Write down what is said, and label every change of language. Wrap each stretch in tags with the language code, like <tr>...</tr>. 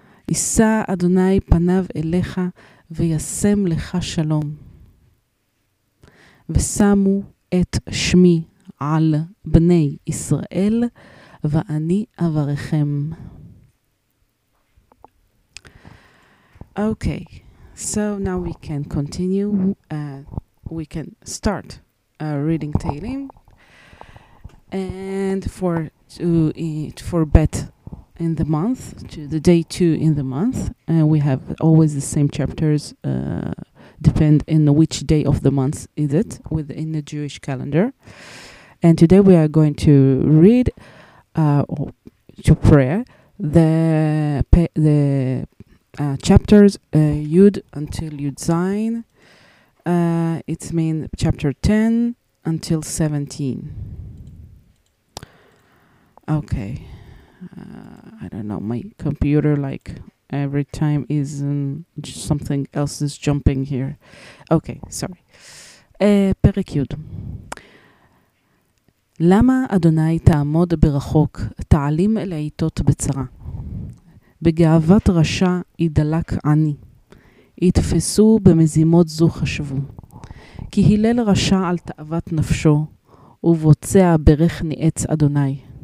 <he>ישא אדוני פניו אליך וישם לך שלום. ושמו את שמי על בני ישראל ואני אברכם.</he> <en>Okay, so now we can continue. We can start reading Tehillim. And for Bet in the month, to the day two in the month, and we have always the same chapters, depend in which day of the month is it within the Jewish calendar. And today we are going to read to pray the chapters Yud until Yud Zayin. It's mean chapter 10 until 17. Okay. I don't know, my computer, like, every time is something else is jumping here. Okay, sorry.</en> <he>פרק יוד. למה אדוני תעמוד ברחוק, תעלים אל העיתות בצרה? בגאוות רשע ידלק עני, יתפסו במזימות זו חשבו. כי הלל רשע על תאוות נפשו, ובוצע ברך נעץ אדוני.</he>